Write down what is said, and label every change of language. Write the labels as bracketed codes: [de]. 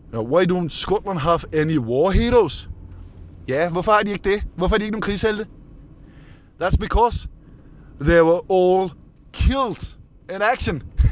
[en] Why don't Scotland have any war heroes? [da] Ja, hvorfor har de ikke det? Hvorfor har de ikke nogen krigshelte? [en] That's because they were all killed in action.